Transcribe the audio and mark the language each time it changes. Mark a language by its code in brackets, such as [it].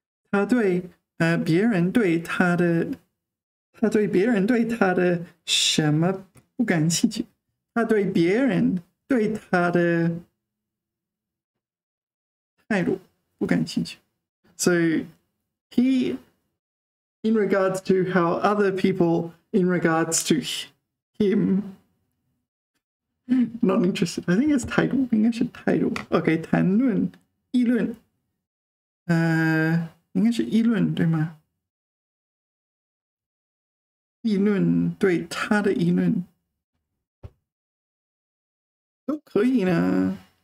[zh] 他对别人对他的，他对别人对他的什么不感兴趣？他对别人对他的态度不感兴趣。 [en] So he, in regards to how other people, in regards to him, not interested. I think it's [zh] 态度，应该是态度。 OK，谈论、议论，应该是议论，对吗？议论对他的议论都可以呢。